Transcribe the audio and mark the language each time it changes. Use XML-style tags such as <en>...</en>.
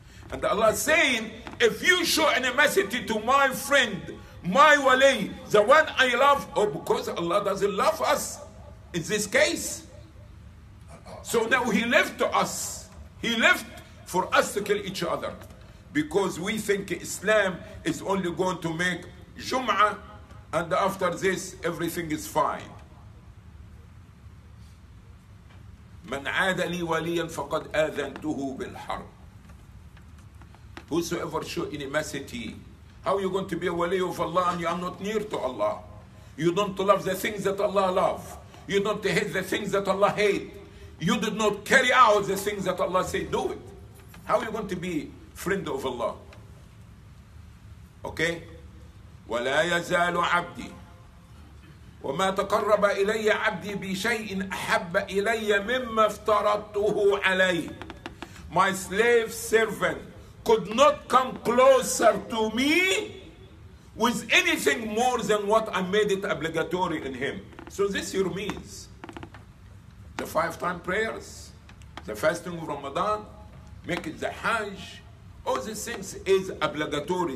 <en>And Allah is saying, if you show animosity to my friend, my wali, the one I love, oh, because Allah doesn't love us in this case. So now He left to us. He left for us to kill each other. Because we think Islam is only going to make Jum'ah, and after this, everything is fine.</en> <ar>من عاد لي وليا فقد آذنته بالحرب.</ar> <en>Whosoever show animosity, how are you going to be a wali of Allah and you are not near to Allah? You don't love the things that Allah love. You don't hate the things that Allah hate. You did not carry out the things that Allah said, do it. How are you going to be friend of Allah? Okay?</en> <ar>ولا يزال عبدي وما تقرب إلي عبدي بشيء أحب إلي مما افترضته علي.</ar> <en>My slave servant could not come closer to me with anything more than what I made it obligatory in him. So this your means. The 5-time prayers, the fasting of Ramadan, making the Hajj, all these things is obligatory.</en>